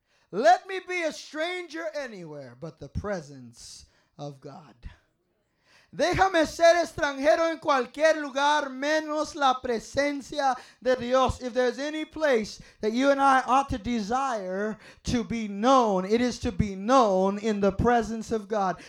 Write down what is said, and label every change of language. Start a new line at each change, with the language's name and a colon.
English: Let me be a stranger anywhere but the presence of God.
Spanish: Déjame ser extranjero en cualquier lugar menos la presencia de Dios.
English: If there's any place that you and I ought to desire to be known, it is to be known in the presence of God.